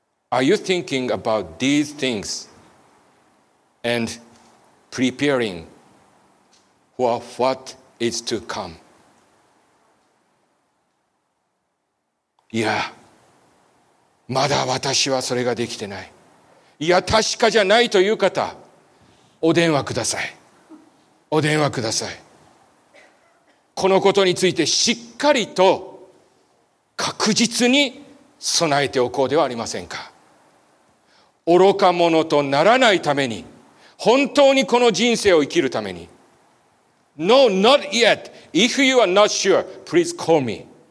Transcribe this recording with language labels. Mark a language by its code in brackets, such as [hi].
[en] Are you thinking about these things and preparing for what is to come. [ja] いや、まだ私はそれができてない。いや、確かじゃないという方、お電話ください。お電話ください。このことについてしっかりと確実に備えておこうではありませんか。愚か者とならないために、本当にこの人生を生きるために。 [en] No, not yet. If you are not sure, please call me.